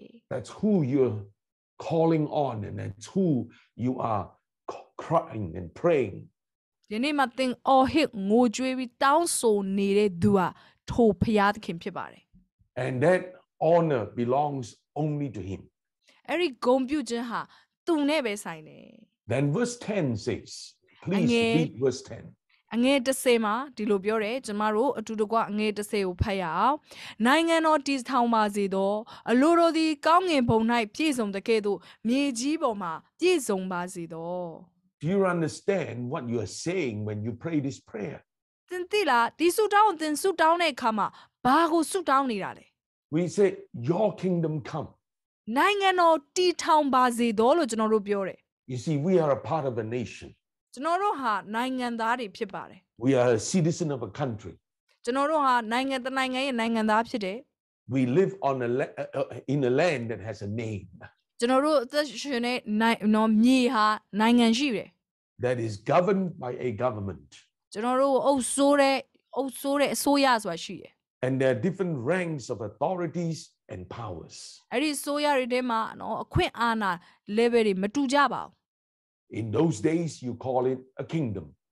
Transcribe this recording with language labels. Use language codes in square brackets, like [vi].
[en] That's who you're calling on, and that's who you are crying and praying. [my] ဒီနေ့မှာသင်အော်ဟစ်ငိုကြွေးပြီးတောင်းဆိုနေတဲ့သူဟာထိုဘုရားသခင်ဖြစ်ပါတယ် [en] And that honor belongs only to him [my] အဲ့ဒီဂုဏ်ပြုခြင်းဟာသူနဲ့ပဲဆိုင်တယ် [en] Then verse 10 says please read verse 10 [my] အငယ်30မှာဒီလိုပြောတယ်ကျမတို့အတူတကွအငယ်30ကိုဖတ်ရအောင်နိုင်ငံတော်တည်ထောင်ပါစေသောအလိုတော်သည်ကောင်းငင်ဘုံ၌ပြည့်စုံတကဲ့သို့မြေကြီးပေါ်မှာပြည့်စုံပါစေသော [en] Do you understand what you are saying when you pray this prayer? [my] သင်သိလားဒီဆုတောင်းအသင်ဆုတောင်းတဲ့အခါမှာဘာကိုဆုတောင်းနေတာလဲ [en] We say your kingdom come. [my] နိုင်ငံတော်တည်ထောင်ပါစေသောလို့ကျွန်တော်တို့ပြောတယ် [en] You see we are a part of a nation. [my] ကျွန်တော်တို့ဟာနိုင်ငံသားတွေဖြစ်ပါတယ် [en] We are a citizen of a country [my] ကျွန်တော်တို့ဟာနိုင်ငံတစ်နိုင်ငံရဲ့နိုင်ငံသားဖြစ်တယ် [en] We live on a in a land that has a name [my] ကျွန်တော်တို့အသက်ရှင်တဲ့နိုင်ငံမြေဟာနိုင်ငံရှိတယ် [en] That is governed by a government [my] ကျွန်တော်တို့အုပ်ဆိုးတဲ့အစိုးရဆိုတာရှိတယ် [en] And there are different ranks of authorities and powers [my] အဲ့ဒီအစိုးရတွေထဲမှာနော်အခွင့်အာဏာ level တွေမတူကြပါဘူး [en] In those days, you call it a kingdom.